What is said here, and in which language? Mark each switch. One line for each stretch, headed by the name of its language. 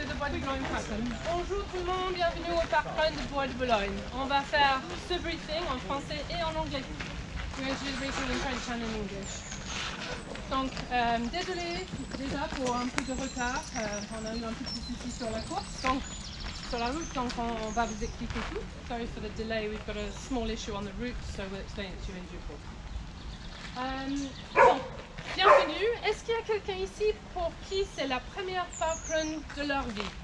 French: Bonjour tout le monde, bienvenue au Parkrun de Bois de Boulogne. On va faire ce briefing en français et en anglais.
English: We're going to do the briefing in French and in English.
French: Donc, désolé déjà pour un peu de retard. On a eu un petit souci sur la course, donc sur la route, donc on va vous expliquer tout.
English: Sorry for the delay, we've got a small issue on the route, so we'll explain it to you in due course.
French: Bienvenue. Est-ce qu'il y a quelqu'un ici pour qui c'est la première Parkrun de leur vie?